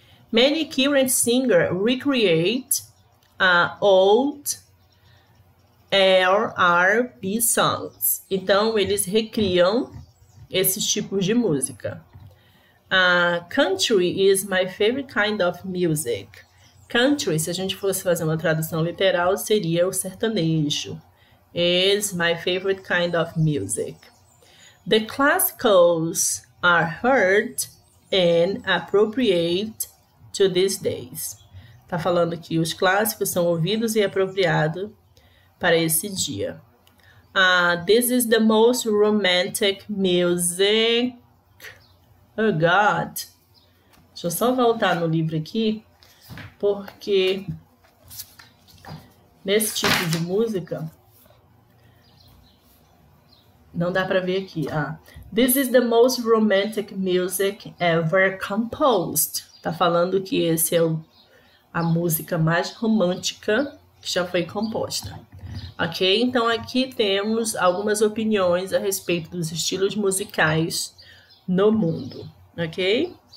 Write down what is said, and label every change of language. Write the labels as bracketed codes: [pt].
[en] Many current singers recreate old R&B songs. [pt] Então, eles recriam esses tipos de música. [en] Country is my favorite kind of music. [pt] Country, se a gente fosse fazer uma tradução literal, seria o sertanejo. [en] Is my favorite kind of music. The classicals are heard and appropriate to these days. [pt] Tá falando que os clássicos são ouvidos e apropriados para esse dia. [en] This is the most romantic music. Oh God. [pt] Deixa eu só voltar no livro aqui. Porque nesse tipo de música não dá para ver aqui. [en] This is the most romantic music ever composed. [pt] Tá falando que esse é a música mais romântica que já foi composta. Ok? Então aqui temos algumas opiniões a respeito dos estilos musicais no mundo. Ok?